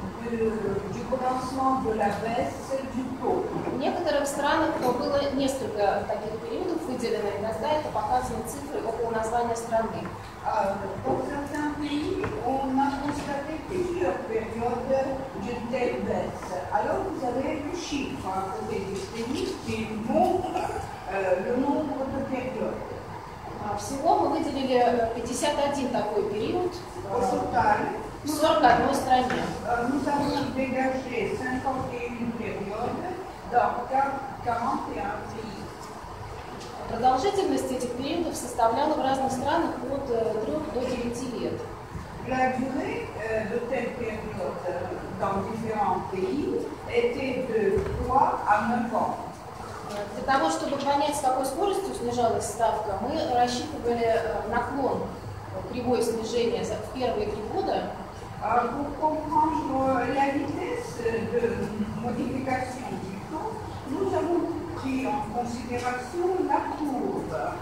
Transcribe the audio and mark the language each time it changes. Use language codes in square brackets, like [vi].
[fr] Du commencement de la baisse du taux. [ru] В некоторых странах было несколько таких периодов выделено, иногда это показаны цифры около названия страны. [fr] Dans certains pays, on a constaté plusieurs périodes d'une telle baisse. Alors vous avez le chiffre à côté du pays qui montre le nombre de périodes. [ru] Всего мы выделили 51 такой период. Consultare. В 41 стране. [fr] Nous avons dégagé 51 périodes dans 41 pays. [ru] Продолжительность этих периодов составляла в разных странах от 3 до 9 лет. [fr] La durée de telle période dans différents pays était de 3 à 9 ans. [ru] Для того, чтобы понять, с какой скоростью снижалась ставка, мы рассчитывали наклон кривой снижения за первые 3 года. [fr] Pour comprendre la vitesse de modification du taux, nous avons pris en considération la courbe.